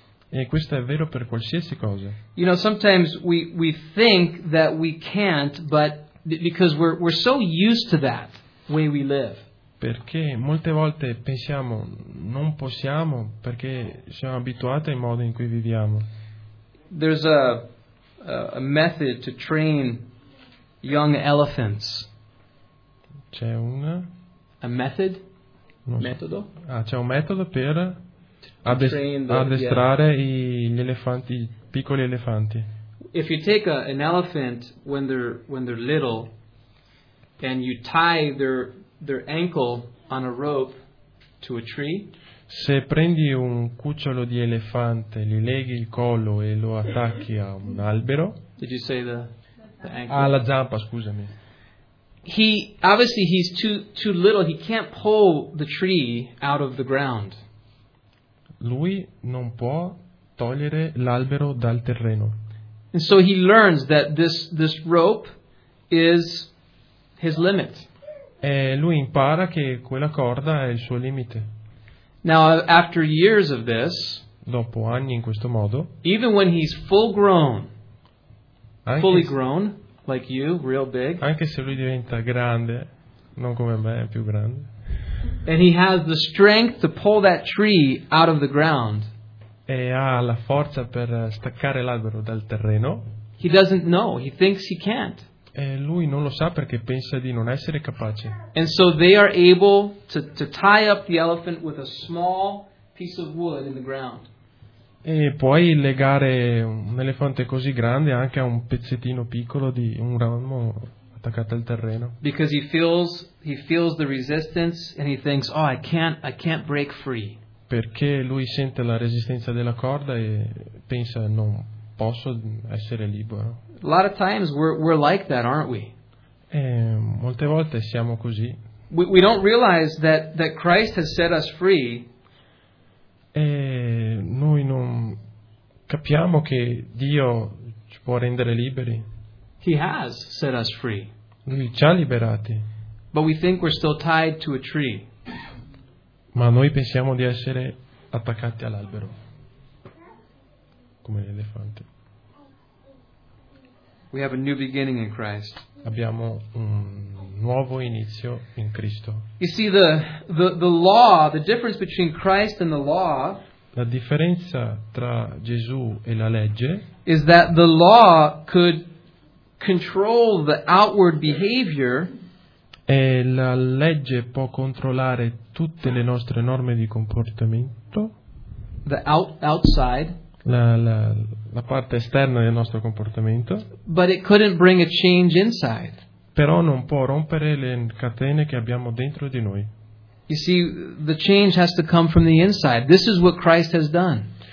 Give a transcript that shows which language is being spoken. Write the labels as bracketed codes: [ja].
[it] E questo è vero per qualsiasi cosa. [en] You know, sometimes we think that we can't, but because we're so used to that way we live. [it] Perché molte volte pensiamo non possiamo perché siamo abituati ai modi in cui viviamo. [en] There's a method to train young elephants. [it] C'è una [en] a method? [it] Non so. Metodo? Ah, c'è un metodo per addestrare gli elefanti, piccoli elefanti. [en] If you take an elephant when they're little and you tie their ankle on a rope to a tree. [it] Se prendi un cucciolo di elefante, li leghi il collo e lo attacchi a un albero. [en] Did you say the ankle? [it] Alla zampa, scusami. [en] He obviously he's too little. He can't pull the tree out of the ground. [it] Lui non può togliere l'albero dal terreno. [en] And so he learns that this rope is his limit. [it] E lui impara che quella corda è il suo limite. [en] Now, after years of this, [it] dopo anni in questo modo, [en] even when he's fully grown, like you, real big, [it] anche se lui diventa grande, non come me, più grande, [en] and he has the strength to pull that tree out of the ground, [it] e ha la forza per staccare l'albero dal terreno, [en] he doesn't know, he thinks he can't. [it] E lui non lo sa perché pensa di non essere capace. [en] And so they are able to tie up the elephant with a small piece of wood in the ground. [it] E puoi legare un elefante così grande anche a un pezzettino piccolo di un ramo attaccato al terreno. [en] Because he feels the resistance and he thinks, "Oh, I can't break free." [it] Perché lui sente la resistenza della corda e pensa non posso essere libero. [en] A lot of times we're like that, aren't we? [it] Molte volte siamo così. [en] We don't realize that Christ has set us free. [it] Noi non capiamo che Dio ci può rendere liberi. [en] He has set us free. [it] Lui ci ha liberati. [en] But we think we're still tied to a tree. [it] Ma noi pensiamo di essere attaccati all'albero, come l'elefante. [en] We have a new beginning in Christ. [it] Abbiamo un nuovo inizio in Cristo. [en] You see the law, the difference between Christ and the law. [it] La differenza tra Gesù e la legge [en] is that the law could control the outward behavior. [it] E la legge può controllare tutte le nostre norme di comportamento. [en] The outside. [it] La parte esterna del nostro comportamento. [en] But it couldn't bring a change inside. [it] Però non può rompere le catene che abbiamo dentro di noi. [en] You see, the change has to come from the inside. This is what Christ has done.